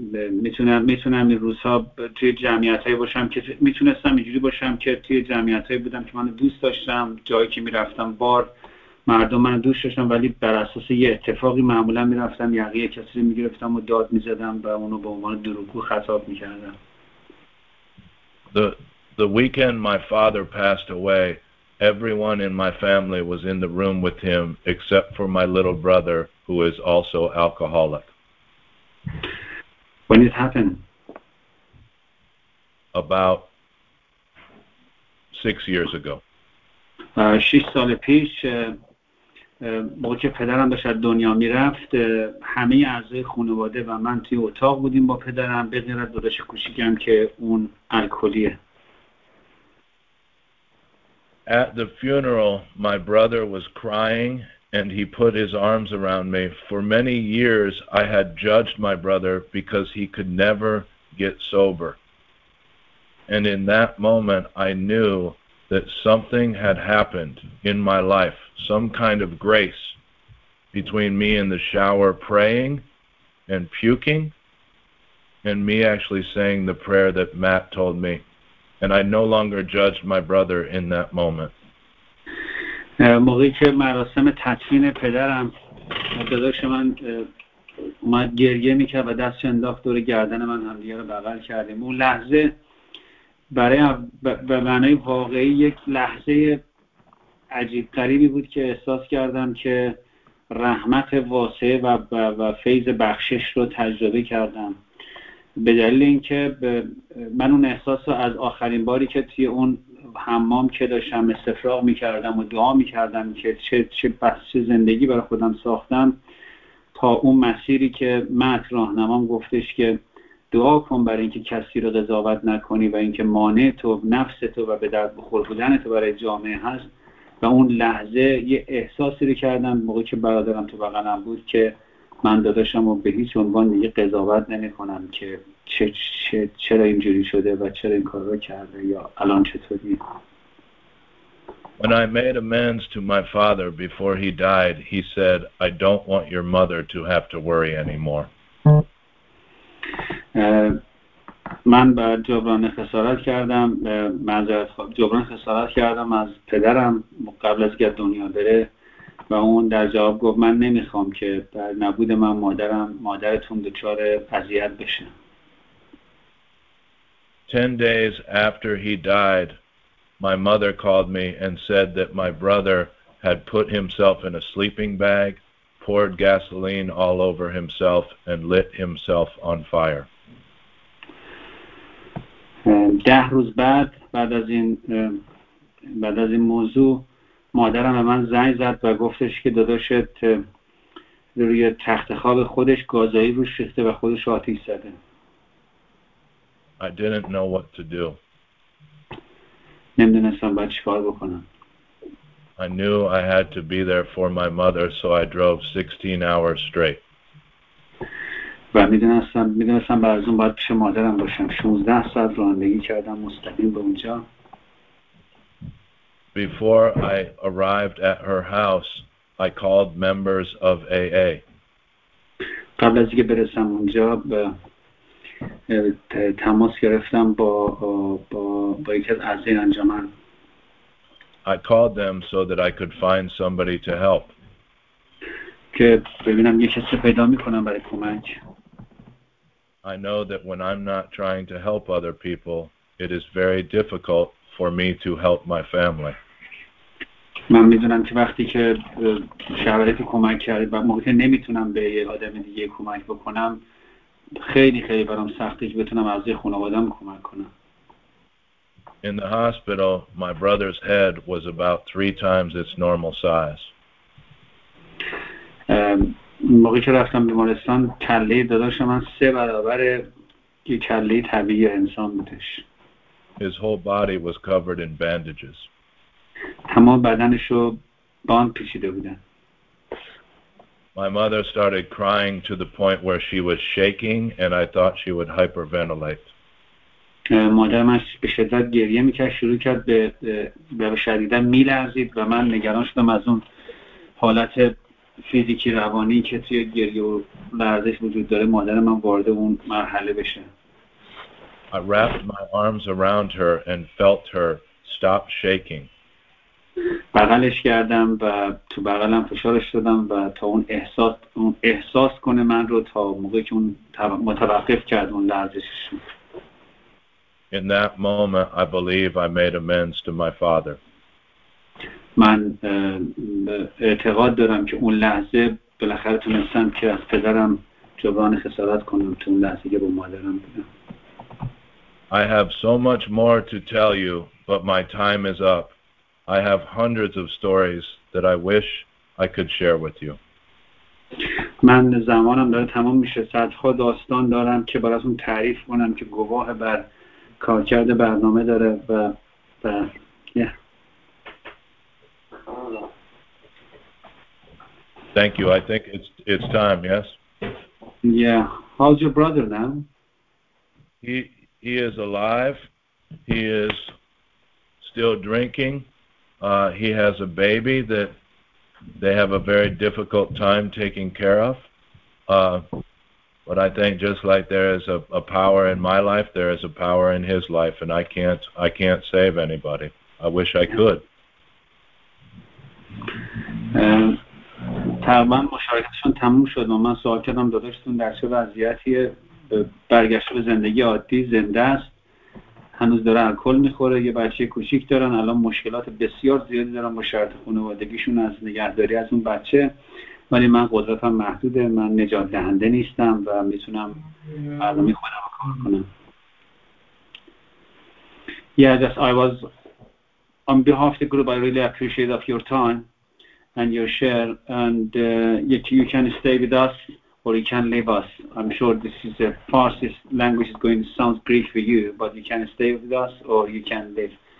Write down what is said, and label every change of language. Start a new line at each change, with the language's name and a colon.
Persian: میتونم این روزها توی جمعیتایی باشم که میتونستم اینجوری باشم که توی جمعیتایی بودم که من دوست داشتم، جایی که میرفتم بار مردم من دوست داشتم، ولی بر اساس یه اتفاقی معمولا میرفتم یقه یه کسی رو میگرفتم و داد میزدم و اونو به عنوان دروغگو خطاب میکردم.
English: The weekend my father passed away, everyone in my family was in the room with him except for my little brother who is also alcoholic. When it happened? About 6 years ago. 6 years
Persian: پیش موقع که پدرم داشت دنیا میرفت همه اعضای خانواده و من توی اتاق بودیم با پدرم به غیر از داداش کوچیکم که اون الکلیه.
English: At the funeral, my brother was crying and he put his arms around me. For many years I had judged my brother because he could never get sober. And in that moment I knew that something had happened in my life, some kind of grace between me in the shower praying and puking and me actually saying the prayer that Matt told me. And I no longer judged my brother in that moment.
Persian: موقعی که مراسم تدفین پدرم داداش من اومد گریه میکرد و دستش انداخت دور گردن من، هم دیگه رو بغل کردیم. اون لحظه برای به معنای واقعی یک لحظه عجیب غریبی بود که احساس کردم که رحمت واسعه و فیض بخشش رو تجربه کردم، به دلیل اینکه من اون احساس رو از آخرین باری که توی اون حمام که داشتم استفراغ میکردم و دعا میکردم که چه زندگی برای خودم ساختم، تا اون مسیری که مت راهنمام گفتش که دعا کن برای اینکه کسی رو قضاوت نکنی و اینکه مانع تو نفس تو و به درد بخور بودن تو برای جامعه هست، و اون لحظه یه احساسی رو کردم موقعی که برادرم تو بغلم بود که من داداشم رو به هیچ عنوان دیگه قضاوت نمی کنم که چرا اینجوری شده و چرا این کار رو کرده یا الان چطوری.
English: When I made amends to my father before he died, he said, "I don't want your mother to have to worry anymore."
Persian: من بعد جبران خسارت کردم، معذرت خواهم، جبران خسارت کردم از پدرم قبل از اینکه دنیا بره، و اون در جواب گفت من نمیخوام که بر نبود من مادرتون دچار اذیت بشه.
English: 10 days after he died, my mother called me and said that my brother had put himself in a sleeping bag, poured gasoline all over himself, and lit himself on fire. 10 days
Persian: بعد، بعد از این موضوع، مادرم به من زنگ زد و گفتش که داداشت روی تخت خواب خودش گازایی روش ریخته و خودش رو آتیش زده.
English: I didn't know what to do.
Persian: نمیدونستم باید چیکار بکنم.
English: I knew I had to be there for my mother, so I drove 16 hours straight.
Persian: و میدونستم بعد از اون باید پیش مادرم باشم. 16 ساعت رانندگی کردم مستقیم به اونجا.
English: Before I arrived at her house, I called members of AA.
Persian: قبل از اینکه برسم اونجا به تماس گرفتم با یکی از اعضای انجمن.
English: I called them so that I could find somebody to help.
Persian: که ببینم یه کسی پیدا میکنم برای کمک.
English: I know that when I'm not trying to help other people, it is very difficult for me to help my family.
Persian: من میدونم که وقتی که شرایط کمک کردی و موقعی که نمیتونم به یه آدم دیگه کمک بکنم خیلی خیلی برام سختی که بتونم از یه خانوادم کمک کنم.
English: In the hospital, my brother's head was about 3 times its normal size.
Persian: موقعی که رفتم بیمارستان کله داداش من 3 برابر یه کله طبیعی انسان بودش.
English: His whole body was covered in bandages.
Persian: تمام بدنش رو باند پیچیده بودن.
English: My mother started crying to the point where she was shaking and I thought she would hyperventilate.
Persian: مادرمش به شدت گریه میکرد، شروع کرد به شدیدن میلرزید و من نگران شدم از اون حالت فیزیکی روانی که توی گریه و لرزش وجود داره مادرم هم وارد اون مرحله بشه.
English: I wrapped my arms around her and felt her stop shaking.
Persian: بغلش کردم و تو بغلم فشارش دادم و تا اون احساس کنه من رو تا موقعی که اون متوقف کرد اون لرزشش.
English: In that moment I believe I made amends to my father.
Persian: من اعتقاد دارم که اون لحظه بالاخره تونستم که از پدرم جبران خسارت کنم تو اون لحظه که با مادرم بودم.
English: I have so much more to tell you but my time is up. I have hundreds of stories that I wish I could share with you.
Persian: من زمانم داره تمام میشه. صدها داستان دارم که براتون تعریف کنم که گواه بر کارکرد برنامه داره و yeah.
English: Thank you. I think it's time, yes? Yeah. How's your brother now? He is alive. He is still drinking. He has a baby that they have a very difficult time taking care of. But I think just like there is a power in my life, there is a power in his life, and I can't save anybody. I wish I could.
Persian: تقریبا مشارکتشون تموم شد. من سوال کردم داداشتون در چه وضعیتیه؟ برگشت به زندگی عادی، زنده است. هنوز داره الکل میخوره، یه بچه کوچیک دارن، الان مشکلات بسیار زیادی دارن با شرط خانوادگیشون از نگهداری از اون بچه، ولی من قدرتم محدوده، من نجات دهنده نیستم و میتونم برنامه خودم رو کار کنم.
English: Yeah, just I was on behalf of the group, I really appreciate of your time and your share, and you can stay with us or you can leave us. I'm sure this is a Farsi language is going to sound Greek for you, but you can stay with us or you can leave.